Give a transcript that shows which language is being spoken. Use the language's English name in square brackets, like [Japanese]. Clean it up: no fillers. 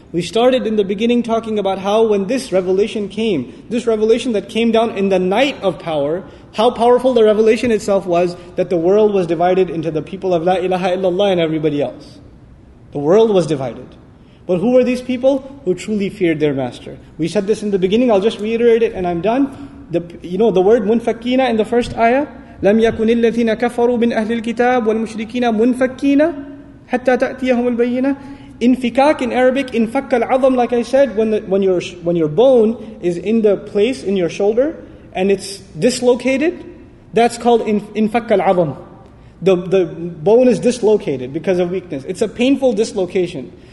[English] We started in the beginning talking about how when this revelation came, this revelation that came down in the night of power, how powerful the revelation itself was, that the world was divided into the people of La ilaha illallah and everybody else. The world was divided. But who were these people? Who truly feared their master. We said this in the beginning, I'll just reiterate it and I'm done. The word munfakina in the first ayah, [Arabic] لَمْ يَكُنِ الَّذِينَ كَفَرُوا مِنْ أَهْلِ الْكِتَابِ وَالْمُشْرِكِينَ مُنْفَكِّينَ حَتَّى تَأْتِيَهُمُ الْبَيِّنَةِ. [English] Infikak in Arabic, infak al-azam, like I said, when your bone is in the place in your shoulder and it's dislocated, that's called infak al-azam. The bone is dislocated because of weakness. It's a painful dislocation.